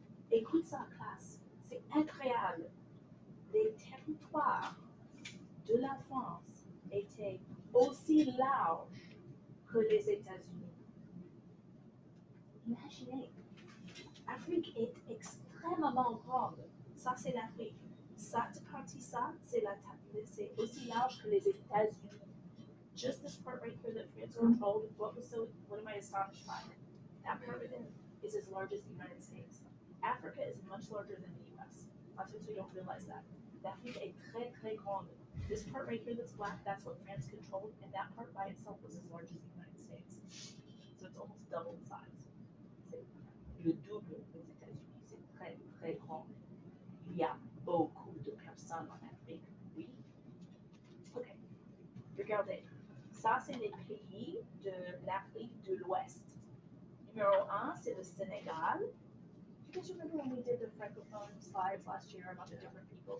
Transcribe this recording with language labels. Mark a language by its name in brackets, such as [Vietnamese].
[French] Écoute ça, classe. C'est incroyable. Les territoires de la France étaient aussi large que les États-Unis. Imaginez, l'Afrique est extrêmement grande. Ça, c'est l'Afrique. Cette partie-là, c'est aussi large que les États-Unis. [English] Just this part right here that France controlled, what am I astonished by? That part of it. is as large as the United States. Africa is much larger than the U.S. Sometimes we don't realize that. [French] L'Afrique est très, très grande. [English] This part right here that's black, that's what France controlled, and that part by itself was as large as the United States. So it's almost double the size. [French] C'est le double des États-Unis. C'est très, très grand. Il y a beaucoup de personnes en Afrique. Oui. Okay. Regardez. Ça, c'est les pays de l'Afrique de l'Ouest. Numéro 1, c'est le Sénégal. [English] Do you guys remember when we did the francophone slides last year about the different people?